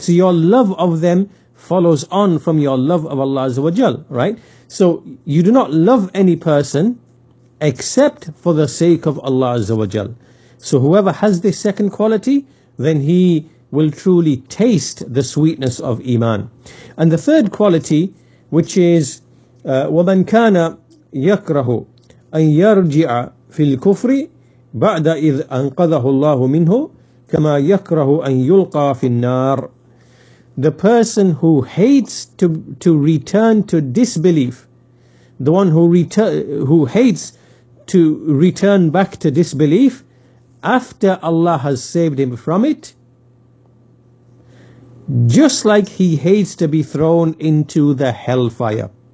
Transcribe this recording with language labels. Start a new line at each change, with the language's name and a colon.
English: So your love of them follows on from your love of Allah Azza wa Jal, right? So you do not love any person except for the sake of Allah Azza wa Jal. So whoever has this second quality, then he will truly taste the sweetness of Iman. And the third quality, which is
Arabic: وَمَنْ كَانَ يَكْرَهُ أَنْ يَرْجِعَ فِي الْكُفْرِ بَعْدَ إِذْ أَنْقَذَهُ اللَّهُ مِنْهُ كَمَا يَكْرَهُ أَنْ يُلْقَى فِي النَّارِ.
English: The person who hates to return to disbelief, the one who hates to return back to disbelief after Allah has saved him from it, just like he hates to be thrown into the hellfire.